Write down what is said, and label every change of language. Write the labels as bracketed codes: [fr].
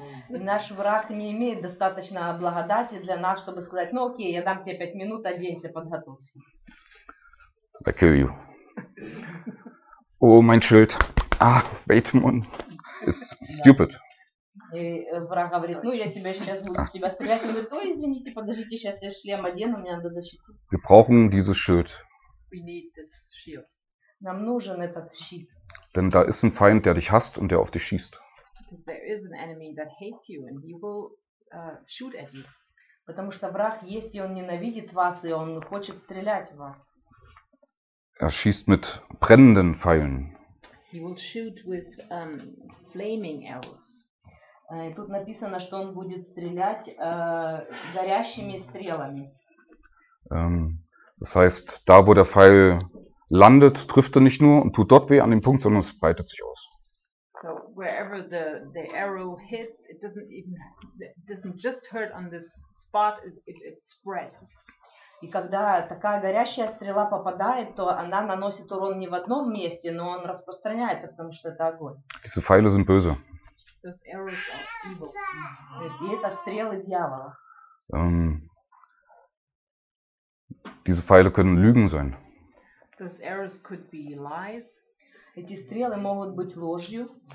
[ru] Наш враг не имеет достаточно благодати для нас, чтобы сказать: "Ну, окей, я дам тебе 5 минут, оденься, подготовься". [en] I kill you. Oh, [de] mein Schild. [en] Ah, wait, man. It's stupid. [ru] И враг говорит: "Ну, я тебя сейчас буду в тебя стрелять". Он говорит: "Ой, извините, подождите, сейчас я шлем одену, мне надо защитить". [de] Wir brauchen dieses Schild. [en] We need this shield. [ru] Нам нужен этот щит. [de] Denn da ist ein Feind, der dich hasst und der auf dich schießt. [en] Because there is an enemy that hates you and he will shoot at you. [ru] Потому что враг есть, и он ненавидит вас, и он хочет стрелять в вас. [de] Er schießt mit brennenden Pfeilen. [en] He will shoot with flaming arrows. [ru] Тут написано, что он будет стрелять горящими стрелами. [de] Das heißt, da wo der Pfeil landet, trifft er nicht nur und tut dort weh an dem Punkt, sondern es breitet sich aus. [en] So wherever the arrow hits, it doesn't just hurt on this spot, it spreads. [ru] И когда такая горящая стрела попадает, то она наносит урон не в одном месте, но он распространяется, потому что это огонь. [de] Diese Pfeile sind böse. [en] Those arrows are evil. [ru] И это стрелы дьявола. [de] Diese Pfeile können Lügen sein. [en] Those arrows could be lies. [ru] Эти стрелы могут быть ложью.